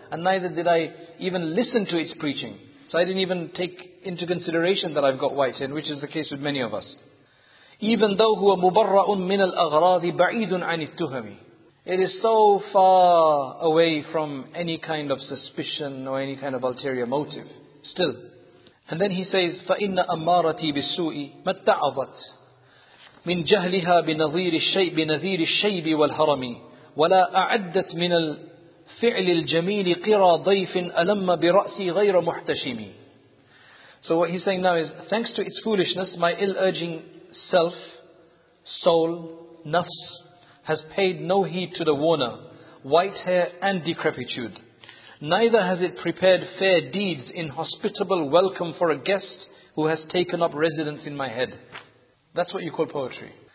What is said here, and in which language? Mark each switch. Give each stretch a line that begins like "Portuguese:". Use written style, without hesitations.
English: And neither did I even listen to its preaching. So I didn't even take into consideration that I've got white hair, which is the case with many of us. Even though
Arabic: هو مبرع من الأغراض بعيد عن التهم.
English: It is so far away from any kind of suspicion or any kind of ulterior motive. Still. And then he says,
Arabic: فَإِنَّ أَمَّارَتِي بِالسُّوءِ مَتَّعَظَتْ مِنْ جَهْلِهَا بِنَذِيرِ الشَّيْبِ وَالْهَرَمِ وَلَا أَعَدَّتْ مِنَ الْفِعْلِ الْجَمِيلِ قِرَى ضَيْفٍ أَلَمَّ بِرَأْسِي غَيْرَ مُحْتَشِمِ.
English: So what he's saying now is, thanks to its foolishness, my ill-urging self, soul, nafs, has paid no heed to the warner, white hair and decrepitude. Neither has it prepared fair deeds, inhospitable welcome for a guest who has taken up residence in my head. That's what you call poetry.